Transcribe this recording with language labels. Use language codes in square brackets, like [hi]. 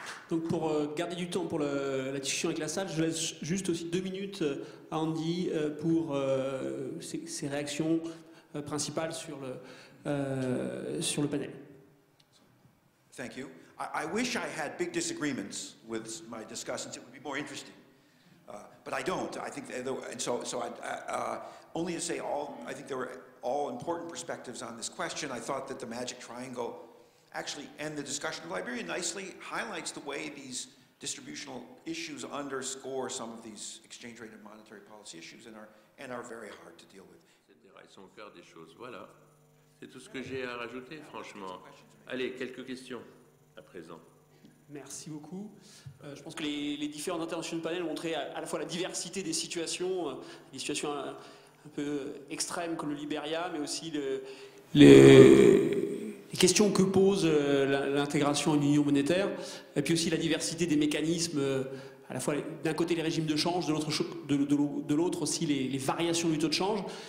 [fr] Donc pour garder du temps pour la discussion avec la salle, je laisse juste aussi 2 minutes à Andy pour ses réactions principales sur le panel. [en] Thank you. I wish I had big disagreements with my discussants. It would be more interesting. But I don't. I think I think there were all important perspectives on this question. I thought that the magic triangle actually, and the discussion of Liberia nicely highlights the way these distributional issues underscore some of these exchange rate and monetary policy issues and are very hard to deal with. [fr] Ils sont au cœur des choses. Voilà. C'est tout ce que j'ai à rajouter, franchement. Allez, quelques questions à présent. Merci beaucoup. Je pense que les différentes interventions du panel ont montré à la fois la diversité des situations, les situations un peu extrêmes comme le Libéria, mais aussi les questions que pose l'intégration à une union monétaire, et puis aussi la diversité des mécanismes, à la fois d'un côté les régimes de change, de l'autre aussi les variations du taux de change.